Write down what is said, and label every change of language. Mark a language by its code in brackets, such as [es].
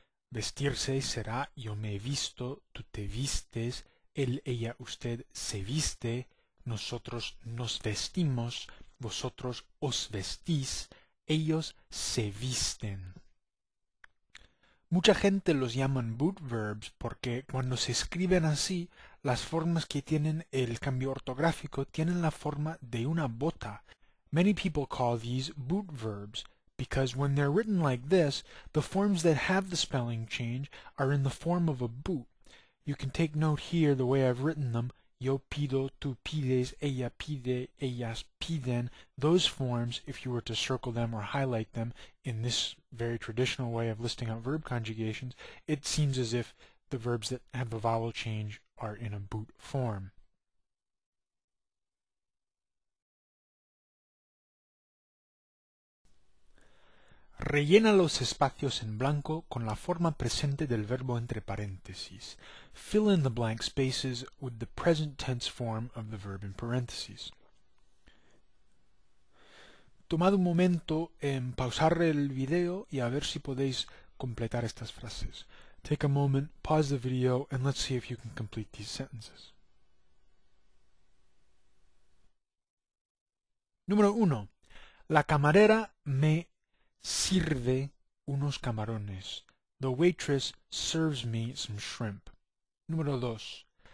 [es] Vestirse será yo me he visto, tú te vistes, él, ella, usted se viste, nosotros nos vestimos, vosotros os vestís, ellos se visten. Mucha gente los llaman boot verbs porque cuando se escriben así, las formas que tienen el cambio ortográfico tienen la forma de una bota. [en] Many people call these boot verbs, because when they're written like this, the forms that have the spelling change are in the form of a boot. You can take note here the way I've written them. [es] Yo pido, tú pides, ella pide, ellas piden. [en] Those forms, if you were to circle them or highlight them in this very traditional way of listing out verb conjugations, it seems as if the verbs that have the vowel change are in a boot form. [es] Rellena los espacios en blanco con la forma presente del verbo entre paréntesis. [en] Fill in the blank spaces with the present tense form of the verb in parentheses. [es] Tomad un momento en pausar el video y a ver si podéis completar estas frases. [en] Take a moment, pause the video, and let's see if you can complete these sentences. [es] Número 1. La camarera me sirve unos camarones. [en] The waitress serves me some shrimp. [es] Número 2.